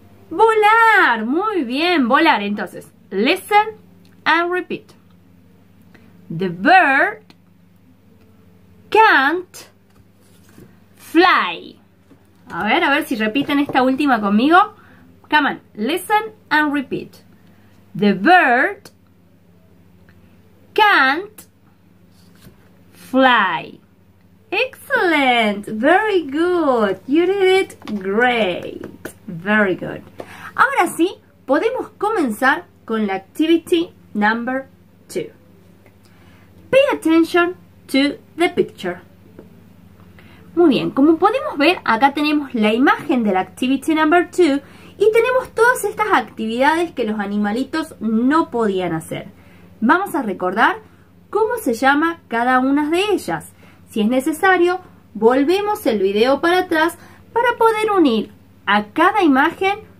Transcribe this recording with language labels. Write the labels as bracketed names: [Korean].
[Spanish] ¡Volar! Muy bien, volar. Entonces, [English] listen and repeat. The bird can't fly. [Spanish] A ver si repiten esta última conmigo. [English] Come on, listen and repeat. The bird can't fly. Excellent. Very good. You did it great. Very good. [Spanish] Ahora sí, podemos comenzar con la activity number 2. [English] Pay attention to the picture. [Spanish] Muy bien. Como podemos ver, acá tenemos la imagen de la activity number 2 y tenemos todas estas actividades que los animalitos no podían hacer. Vamos a recordar ¿cómo se llama cada una de ellas? Si es necesario, volvemos el video para atrás para poder unir a cada imagen